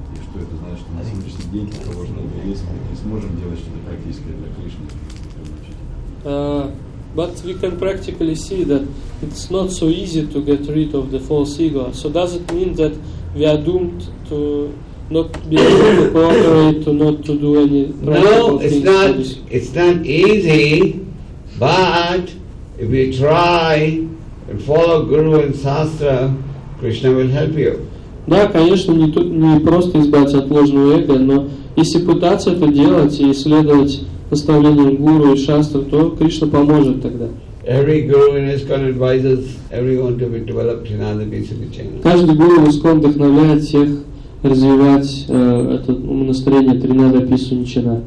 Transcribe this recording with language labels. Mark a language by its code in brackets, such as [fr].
[ru] И что это значит, что на сегодняшний день это ложное эго есть, мы не сможем делать что-то практическое для Кришны. [en] But we can practically see that it's not so easy to get rid of the false ego. So does it mean that we are doomed to not be able to cooperate, to not to do any practical things? No, it's not easy, but if we try and follow Guru and Sastra, Krishna will help you. [ru] Да, конечно, не просто избавиться от ложного эго, но если пытаться это делать и следовать наставлением гуру и шастры, то Кришна поможет тогда. [en] Every guru in ISKCON advises everyone to develop Trinada Bhisani Chaina. [ru] Каждый гуру в ISKCON вдохновляет всех развивать это настроение Тринада Бхисани Чайна.